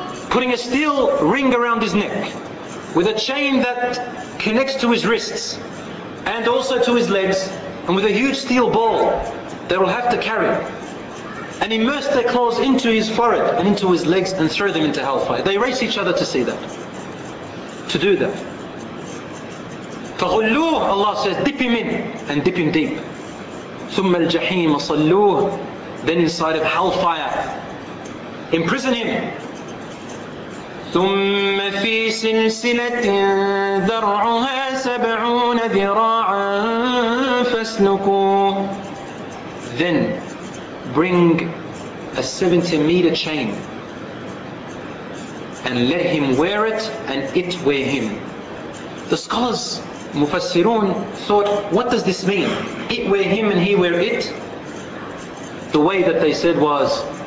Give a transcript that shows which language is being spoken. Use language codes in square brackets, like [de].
[en] putting a steel ring around his neck with a chain that connects to his wrists and also to his legs, and with a huge steel ball they will have to carry, and immerse their claws into his forehead and into his legs and throw them into hellfire. They race each other to see that, to do that. [ar] فَغُلُّوهُ, [en] Allah says, dip him in, and dip him deep. [ar] ثُمَّ الْجَحِيمَ صَلُّوهُ, [en] then inside of hellfire, imprison him. [ar] ثم في سلسلة ذرعها 70 ذراعا فاسلكوه. [en] Then bring a 70 meter chain and let him wear it and it wear him. The scholars, Mufassirun, thought, what does this mean? It wear him and he wear it? The way that they said was,